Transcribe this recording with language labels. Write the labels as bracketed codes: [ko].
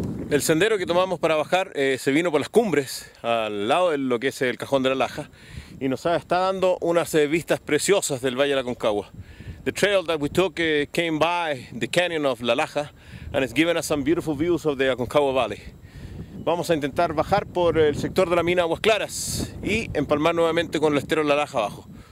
[es] El sendero que tomamos para bajar se vino por las cumbres, al lado de lo que es el Cajón de La Laja, y nos está dando unas vistas preciosas del Valle de Aconcagua. [en] The trail that we took came by the canyon of La Laja and it's given us some beautiful views of the Aconcagua Valley. [es] Vamos a intentar bajar por el sector de la mina Aguas Claras y empalmar nuevamente con el estero La Laja abajo.